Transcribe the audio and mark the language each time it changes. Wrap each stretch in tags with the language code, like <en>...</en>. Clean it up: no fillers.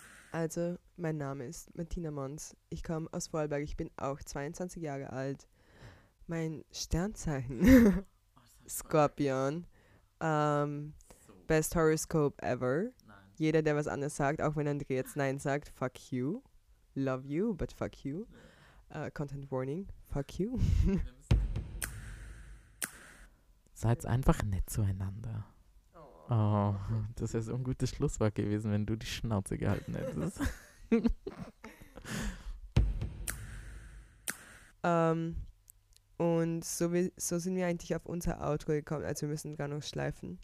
<de>Also, mein Name ist Martina Mons. Ich komme aus Vorarlberg. Ich bin auch 22 Jahre alt. Mein Sternzeichen. Skorpion.</de> <en>Best Horoscope ever.</en> <de>Nein. Jeder, der was anderes sagt, auch wenn André jetzt Nein sagt,</de> <en>fuck you. Love you, but fuck you. Content warning, fuck you.</en> <de>Seid einfach nett zueinander. Oh, das wäre so ein gutes Schlusswort gewesen, wenn du die Schnauze gehalten hättest. Und so sind wir eigentlich auf unser Outro gekommen, also wir müssen gar noch schleifen.</de>